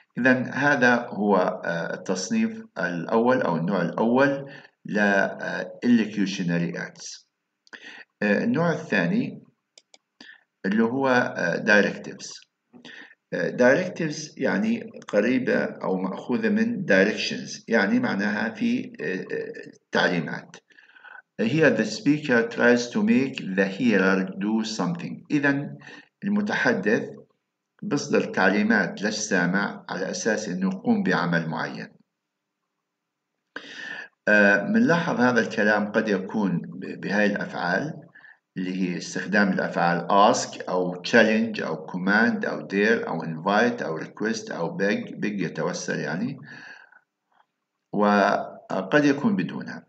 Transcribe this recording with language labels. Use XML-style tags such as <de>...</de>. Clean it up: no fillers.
<ar>إذا هذا هو التصنيف الأول أو النوع الأول لـ illocutionary acts. النوع الثاني اللي هو directives. Directives يعني قريبة أو مأخوذة من directions، يعني معناها في تعليمات.</ar> <en>Here the speaker tries to make the hearer do something.</en> <ar>إذا المتحدث بصدر تعليمات للسامع على أساس أنه يقوم بعمل معين. منلاحظ هذا الكلام قد يكون بهذه الأفعال اللي هي استخدام الأفعال ask أو challenge أو command أو dare أو invite أو request أو beg يتوسل يعني، وقد يكون بدونها.</ar>